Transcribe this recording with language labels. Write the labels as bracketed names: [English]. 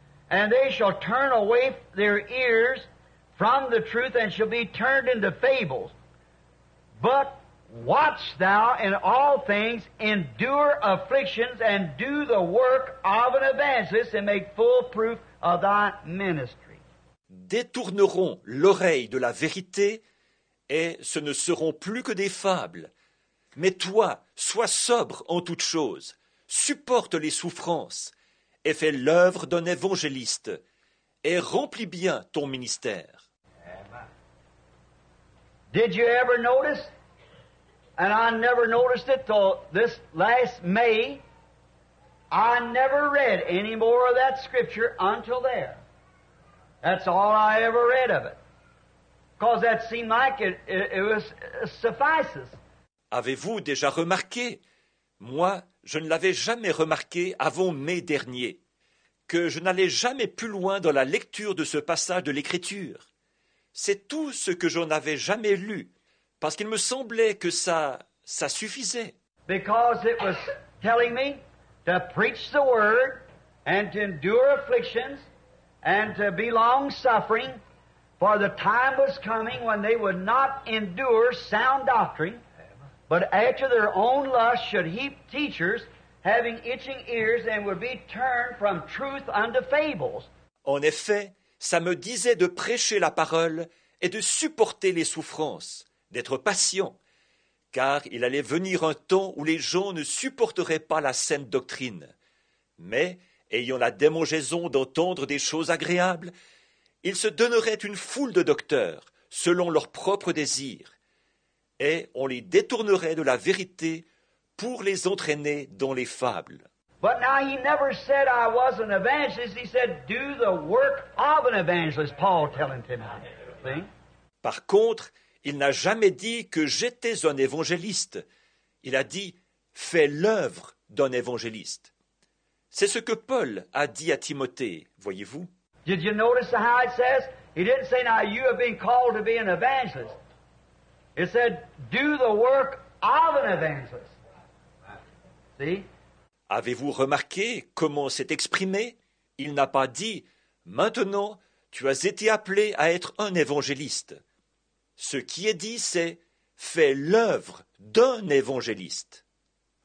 [English] And they shall turn away their ears from the truth and shall be turned into fables. But watch thou in all things, endure afflictions and do the work of an evangelist and make full proof of thy ministry. [French] Détourneront l'oreille de la vérité et ce ne seront plus que des fables. Mais toi, sois sobre en toutes choses, supporte les souffrances et fais l'œuvre d'un évangéliste et remplis bien ton ministère. [English] Did you ever notice, and I never noticed it till this last May, I never read any more of that scripture until there. That's all I ever read of it. Because that seemed like it was suffices. [French] Avez-vous déjà remarqué? Moi, je ne l'avais jamais remarqué avant mai dernier, que je n'allais jamais plus loin dans la lecture de ce passage de l'Écriture. C'est tout ce que j'en avais jamais lu, parce qu'il me semblait que ça suffisait. [English] Because it was telling me to preach the word and to endure afflictions and to be long suffering, for the time was coming when they would not endure sound doctrine, but after their own lust should heap teachers having itching ears and would be turned from truth unto fables. [French] En effet, ça me disait de prêcher la parole et de supporter les souffrances, d'être patient, car il allait venir un temps où les gens ne supporteraient pas la saine doctrine. Mais, ayant la démangeaison d'entendre des choses agréables, ils se donneraient une foule de docteurs, selon leurs propres désirs, et on les détournerait de la vérité pour les entraîner dans les fables. [English] But now he never said I was an evangelist. He said, do the work of an evangelist, Paul telling Timothy. [French] Par contre, il n'a jamais dit que j'étais un évangéliste. Il a dit, fais l'œuvre d'un évangéliste. C'est ce que Paul a dit à Timothée, voyez-vous. [English] Did you notice how it says? He didn't say, now you have been called to be an evangelist. It said, do the work of an evangelist. See? [French] Avez-vous remarqué comment c'est exprimé? Il n'a pas dit, maintenant, tu as été appelé à être un évangéliste. Ce qui est dit, c'est « Fais l'œuvre d'un évangéliste ».